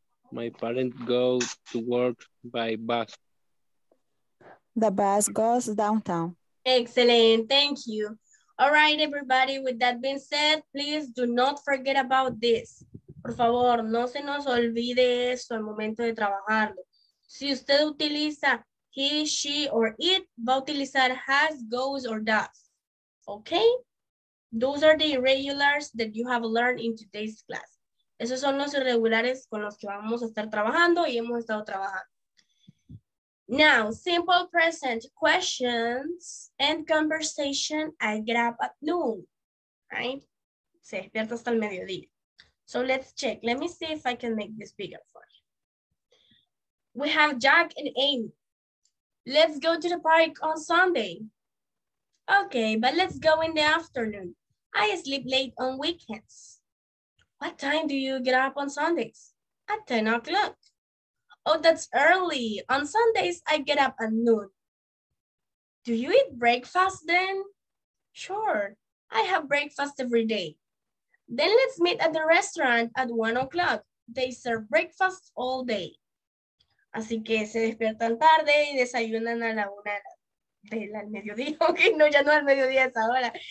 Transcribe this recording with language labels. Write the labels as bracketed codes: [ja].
[en] My parents go to work by bus. The bus goes downtown. Excellent, thank you. All right, everybody, with that being said, please do not forget about this. [es] Por favor, no se nos olvide eso al momento de trabajarlo. Si usted utiliza he, she, or it, va a utilizar has, goes, or does. Okay? [en] Those are the irregulars that you have learned in today's class. [es] Esos son los irregulares con los que vamos a estar trabajando y hemos estado trabajando. [en] Now, simple present questions and conversation I grab at noon, right? [es] Se despierta hasta el mediodía. [en] So let's check. Let me see if I can make this bigger for you. We have Jack and Amy. Let's go to the park on Sunday. Okay, but let's go in the afternoon. I sleep late on weekends. What time do you get up on Sundays? At 10 o'clock. Oh, that's early. On Sundays, I get up at noon. Do you eat breakfast then? Sure, I have breakfast every day. Then let's meet at the restaurant at 1 o'clock. They serve breakfast all day. [es] Así que se despiertan tarde y desayunan a la una de la mediodía. Okay, no, ya no al mediodía es ahora.